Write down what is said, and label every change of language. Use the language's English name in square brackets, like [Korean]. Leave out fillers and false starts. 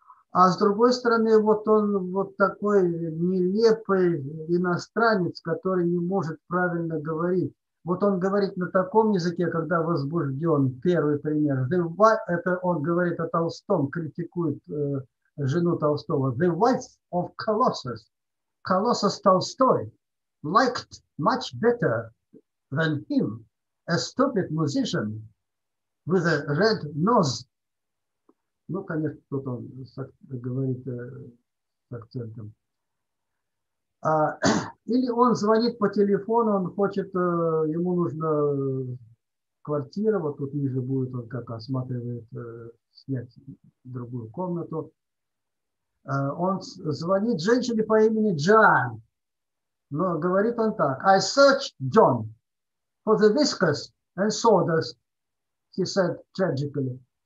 [Russian] А с другой стороны, вот он вот такой нелепый иностранец, который не может правильно говорить. Вот он говорит на таком языке, когда возбужден, первый пример. Это он говорит о Толстом, критикует жену Толстого. [English] The wife of Colossus, Colossus Толстой, liked much better than him, a stupid musician with a red nose. [Russian] Ну, конечно, тут он говорит с акцентом. Или он звонит по телефону, он хочет, ему нужна квартира, вот тут ниже будет, он как осматривает, снять другую комнату. Он звонит женщине по имени Джоан, но говорит он так. [English] I searched John for the viscous and sawdust, he said tragically.